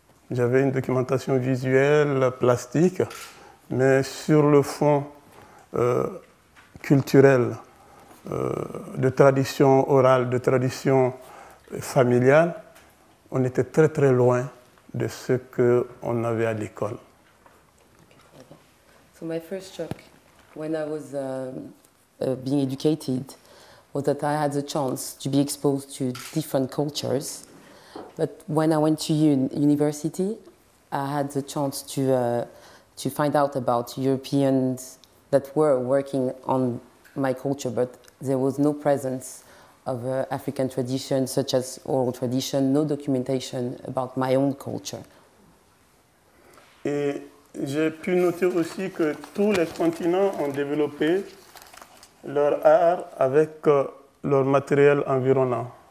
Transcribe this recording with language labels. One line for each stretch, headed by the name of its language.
French: J'avais une documentation visuelle, plastique, mais sur le fond culturel, de tradition orale, de tradition familiale, on était très très loin de ce qu'on avait à l'école.
English: So my first shock when I was being educated was that I had the chance to be exposed to different cultures. But when I went to university, I had the chance to find out about Europeans that were working on my culture, but there was no presence of African tradition, such as oral tradition, no documentation about my own culture.
French: Et j'ai pu noter aussi que tous les continents ont développé leur art avec leur matériel environnant.